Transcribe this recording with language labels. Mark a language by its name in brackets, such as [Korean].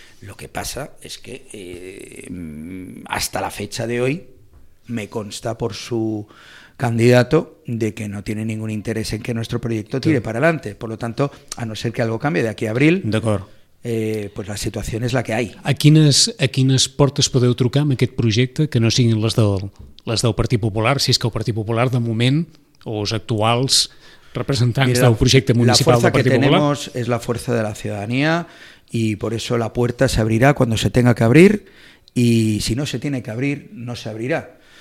[Spanish] Lo que pasa es que hasta la fecha de hoy me consta por su candidato de que no tiene ningún interés en que nuestro proyecto tire para adelante. Por lo tanto, a no ser que algo cambie de aquí a abril, pues la situación es la que hay. [Catalan] ¿A quines portes podeu trucar amb aquest projecte que no siguin les del Partit Popular, si és que el Partit Popular de moment o els actuals [Spanish] representantes del proyecto municipal del Partido Popular. La fuerza que tenemos es la fuerza de la ciudadanía y por eso la puerta se abrirá cuando se tenga que abrir y si no se tiene que abrir, no se abrirá.